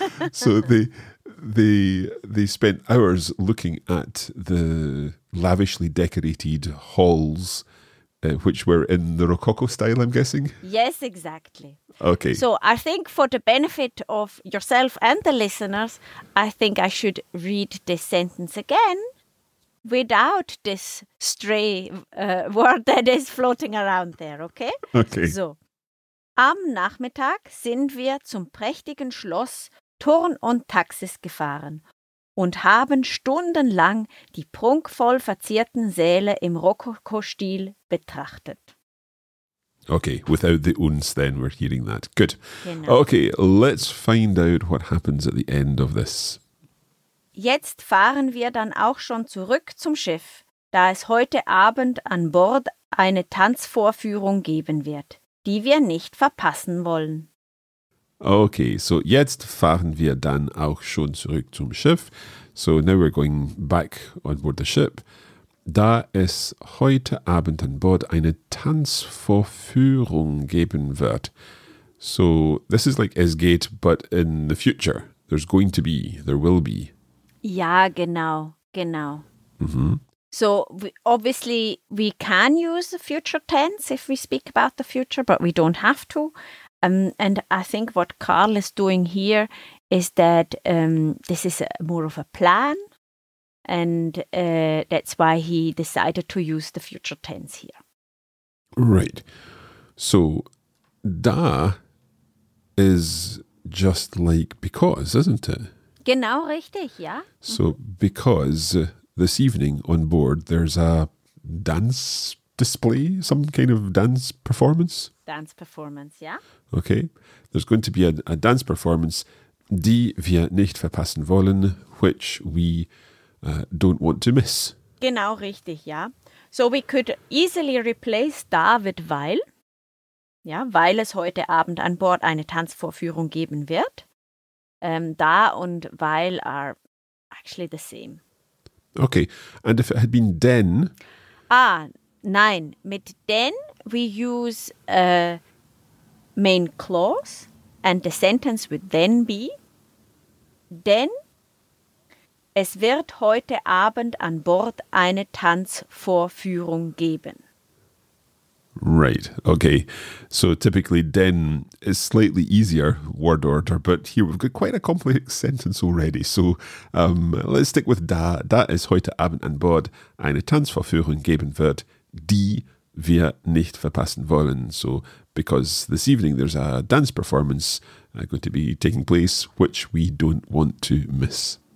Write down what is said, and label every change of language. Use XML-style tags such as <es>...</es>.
<en>So they spent hours looking at the lavishly decorated halls, which were in the Rococo style, I'm guessing? Yes, exactly. Okay. So I think for the benefit of yourself and the listeners, I think I should read this sentence again without this stray word that is floating around there, okay? Okay.</en> <de>So, am Nachmittag sind wir zum prächtigen Schloss Thurn und Taxis gefahren und haben stundenlang die prunkvoll verzierten Säle im Rokoko-Stil betrachtet.</de> <en>Okay, without the uns then, we're hearing that. Good.</en> <de>Genau.</de> <en>Okay, let's find out what happens at the end of this.</en> <de>Jetzt fahren wir dann auch schon zurück zum Schiff, da es heute Abend an Bord eine Tanzvorführung geben wird, die wir nicht verpassen wollen. Okay, so jetzt fahren wir dann auch schon zurück zum Schiff.</de> <en>So now we're going back on board the ship.</en> <de>Da es heute Abend an Bord eine Tanzvorführung geben wird.</de> <en>So this is like es geht, but in the future. There's going to be, there will be.</en> <de>Ja, genau, genau. Mm-hmm.</de> <en>So obviously we can use the future tense if we speak about the future, but we don't have to. And I think what Carl is doing here is that this is more of a plan. And that's why he decided to use the future tense here. Right. So da is just like because, isn't it?</en> <de>Genau richtig, ja.</de> <en>So because this evening on board there's a dance display, some kind of dance performance? Dance performance, ja. Okay. There's going to be a dance performance,</en> <de>die wir nicht verpassen wollen,</de> <en>which we don't want to miss.</en> <de>Genau richtig, ja.</de> <en>So we could easily replace da with weil.</en> <de>Ja, weil es heute Abend an Bord eine Tanzvorführung geben wird.</de> <en>Da und weil are actually the same. Okay. And if it had been denn?</en> <de>Ah, nein. Mit denn</de> <en>we use a main clause and the sentence would then be</en> <de>denn es wird heute Abend an Bord eine Tanzvorführung geben.</de> <en>Right, okay. So typically denn is slightly easier word order, but here we've got quite a complex sentence already. So let's stick with da.</en> <de>Da es heute Abend an Bord eine Tanzvorführung geben wird, die wir nicht verpassen wollen.</de> <en>So because this evening there's a dance performance going to be taking place, which we don't want to miss.</en>